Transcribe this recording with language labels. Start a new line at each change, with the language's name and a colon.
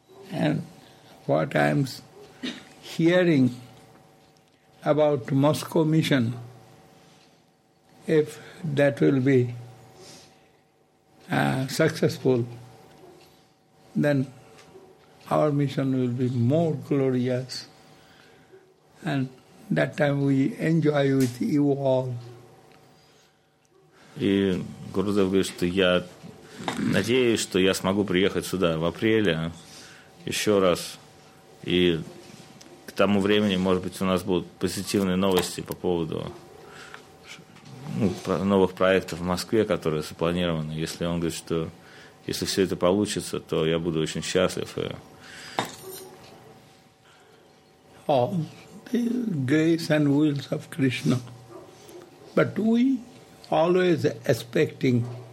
English: And what I'm hearing about Moscow mission, if that will be successful, then our mission will be more glorious, and that time we enjoy with you all.
Russian: И Гурудев говорит, что я надеюсь, что я смогу приехать сюда в апреле еще раз, и к тому времени, может быть, у нас будут позитивные новости по поводу новых проектов в Москве, которые запланированы. Если он говорит, что если все это получится, то я буду очень счастлив.
English: All the grace and wills of Krishna. But we always expecting